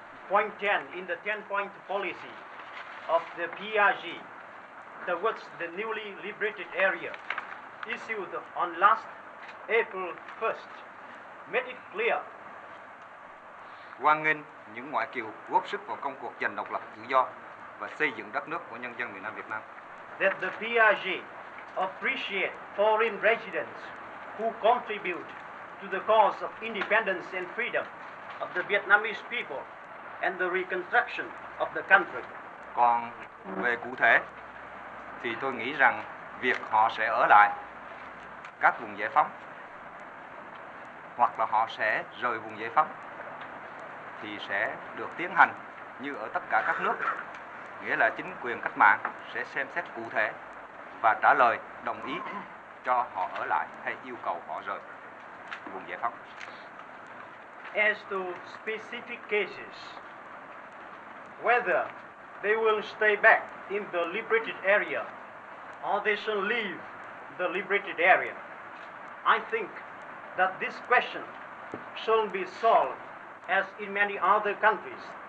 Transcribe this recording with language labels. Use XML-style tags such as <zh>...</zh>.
<en>point 10 in the 10 point policy of the PRG towards the newly liberated area issued on last April 1st made it clear</en> <vi>hoan nghênh những ngoại kiều góp sức vào công cuộc giành độc lập tự do và xây dựng đất nước của nhân dân miền Nam Việt Nam.</vi> <en>That the PRG appreciate foreign residents who contribute to the cause of independence and freedom of the Vietnamese people and the reconstruction of the country.</en> <vi>Còn về cụ thể thì tôi nghĩ rằng việc họ sẽ ở lại các vùng giải phóng hoặc là họ sẽ rời vùng giải phóng thì sẽ được tiến hành như ở tất cả các nước, nghĩa là chính quyền cách mạng sẽ xem xét cụ thể và trả lời đồng ý cho họ ở lại hay yêu cầu họ rời vùng giải phóng.</vi> <en>As to specific cases, whether they will stay back in the liberated area or they should leave the liberated area, I think that this question should be solved as in many other countries.</en>